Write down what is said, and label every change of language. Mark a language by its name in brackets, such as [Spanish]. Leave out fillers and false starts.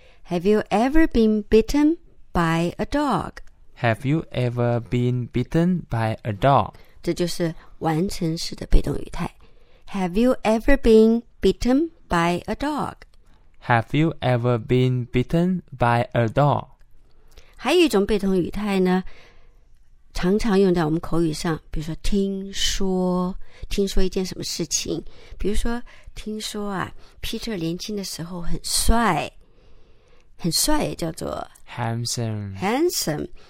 [English] Have you ever been bitten by a dog? Have you ever been bitten by a dog? [Chinese] 这就是完成式的被动语态。 [English] Have you ever been bitten by a dog? Have you ever been bitten by a dog? [Chinese] 还有一种被动语态呢，常常用在我们口语上，比如说听说，听说一件什么事情，比如说听说啊 ，Peter 年轻的时候很帅，很帅，叫做 [English] handsome。